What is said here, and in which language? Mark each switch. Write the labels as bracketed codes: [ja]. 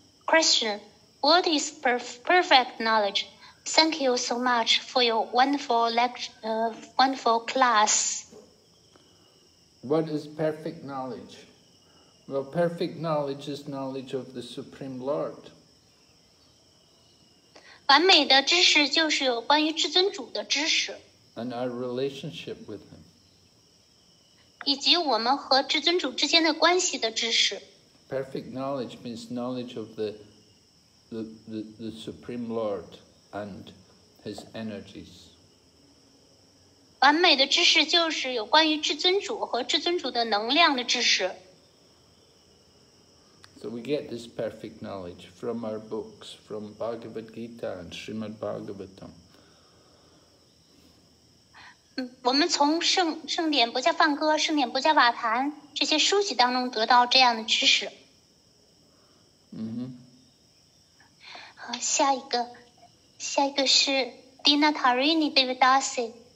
[en] Question, what is perfect knowledge? Thank you so much for your wonderful lecture, wonderful class. What is perfect knowledge? Well, perfect knowledge is knowledge of the Supreme Lord. [zh] 完美的知识就是有关于至尊主的知识。 [en] And our relationship with him. [zh] 以及我们和至尊主之间的关系的知识。 [en] Perfect knowledge means knowledge of the Supreme Lord and his energies. [zh] 完美的知识就是有关于至尊主和至尊主的能量的知识。 [en] So we get this perfect knowledge from our books, from Bhagavad Gita and Srimad Bhagavatam. [zh] 我们从圣典不加梵歌、圣典不加瓦坛这些书籍当中得到这样的知识。嗯哼。好，下一个是 Dina Tarini David Dasi。